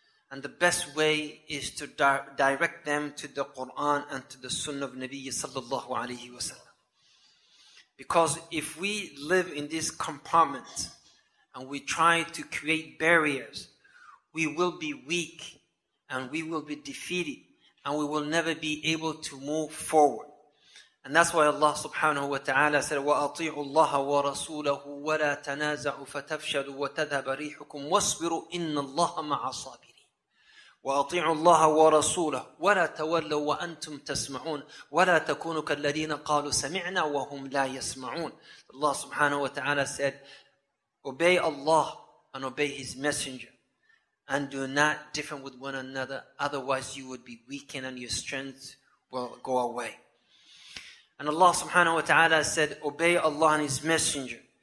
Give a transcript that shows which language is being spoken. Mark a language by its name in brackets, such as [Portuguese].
[English] And the best way is to direct them to the Quran and to the Sunnah of Nabi sallallahu alayhi wa sallam. Because if we live in this compartment and we try to create barriers, we will be weak and we will be defeated and we will never be able to move forward. [Arabic] And that's why Allah subhanahu wa ta'ala said, وَأَطِيعُوا اللَّهَ وَرَسُولَهُ وَلَا تَنَازَعُوا فَتَفْشَلُوا وَتَذْهَبَ رِيحُكُمْ وَاصْبِرُوا إِنَّ اللَّهَ مَعَ الصَّابِرِينَ وَأَطِيعُوا اللَّهَ وَرَسُولَهُ وَلَا تَوَلَّوا وَأَنْتُمْ تَسْمَعُونَ وَلَا تَكُونُوا كَالَّذِينَ قَالُوا سَمِعْنَا وَهُمْ لَا يَسْمَعُونَ. [English] Allah subhanahu wa ta'ala said, obey Allah and obey His Messenger and do not differ with one another, otherwise you would be weakened and your strength will go away. And Allah subhanahu wa ta'ala said, obey Allah and His Messenger.